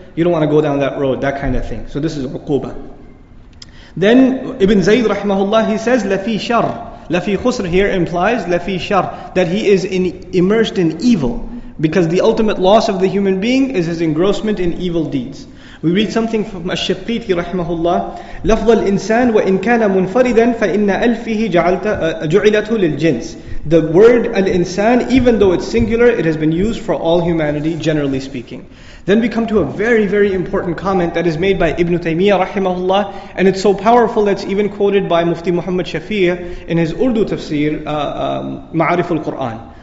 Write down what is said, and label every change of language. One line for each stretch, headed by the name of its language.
English: You don't want to go down that road, that kind of thing. So this is uquba. Then Ibn Zayd rahimahullah, he says,
Arabic: لَفِي شَرْ. لَفِي خُسْر
English: here implies
Arabic: لَفِي شَرْ,
English: that he is immersed in evil. Because the ultimate loss of the human being is his engrossment in evil deeds. We read something from Ash-Shaqqiti rahimahullah.
Arabic: لفظ الإنسان وإن كان منفردا فإن ألفه جعلته للجنس.
English: The word al-insan, even though it's singular, it has been used for all humanity, generally speaking. Then we come to a very, very important comment that is made by Ibn Taymiyyah rahimahullah, and it's so powerful that's even quoted by Mufti Muhammad Shafi'i in his Urdu tafsir, Ma'arif al-Qur'an.